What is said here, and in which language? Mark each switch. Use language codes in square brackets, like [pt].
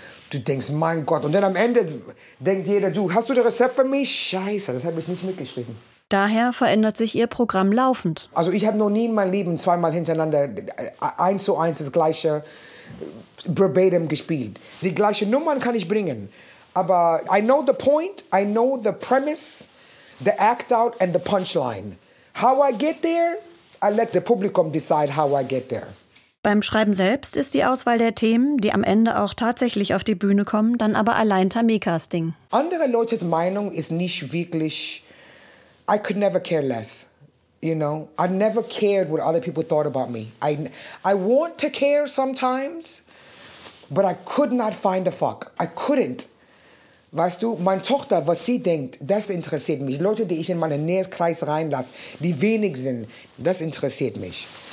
[de] Du denkst, mein Gott, und dann am Ende denkt jeder, du, hast du das Rezept für mich? Scheiße, das habe ich nicht mitgeschrieben. Daher verändert sich ihr Programm laufend. Also ich habe noch nie in meinem Leben zweimal hintereinander 1:1 das gleiche verbatim gespielt. Die gleiche Nummern kann ich bringen. Aber [en] I know the point, I know the premise, the act out and the punchline. How I get there, I let the publicum decide how I get there. [de] Beim Schreiben selbst ist die Auswahl der Themen, die am Ende auch tatsächlich auf die Bühne kommen, dann aber allein Tamikas Ding. Andere Leute's Meinung ist nicht wirklich... [en] I could never care less, you know. I never cared what other people thought about me. I want to care sometimes, but I could not find a fuck. I couldn't. [de] Weißt du, meine Tochter, was sie denkt, das interessiert mich. Leute, die ich in meinen Nähkreis reinlasse, die wenig sind, das interessiert mich.